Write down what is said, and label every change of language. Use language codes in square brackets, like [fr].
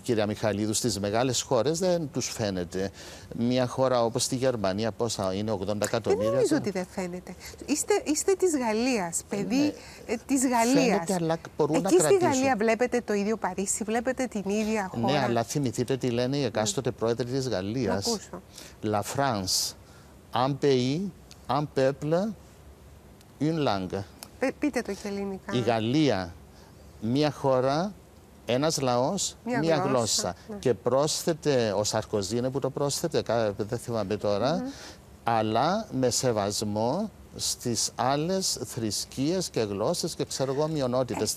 [el] Κυρία Μιχαλίδου, στις μεγάλες χώρες δεν τους φαίνεται. Μια χώρα όπως τη Γερμανία, πόσα είναι, 80 εκατομμύρια. Δεν νομίζω ότι δεν φαίνεται. Είστε της Γαλλίας, παιδί της Γαλλίας. Φαίνεται, αλλά μπορούν εκεί να κρατήσουν. Εκεί στη Γαλλία βλέπετε το ίδιο Παρίσι, βλέπετε την ίδια χώρα. Ναι, αλλά θυμηθείτε τι λένε οι εκάστοτε πρόεδροι της Γαλλίας. [fr] La France, un pays, un peuple, une langue. [el] Πείτε το και ελληνικά. Η Γαλλία, μία χώρα, ένας λαός, μία γλώσσα. Ναι. Και πρόσθεται, ο Σαρκοζή είναι που το πρόσθεται, δεν θυμάμαι τώρα, αλλά με σεβασμό στις άλλες θρησκείες και γλώσσες και ξέρω εγώ μειονότητες.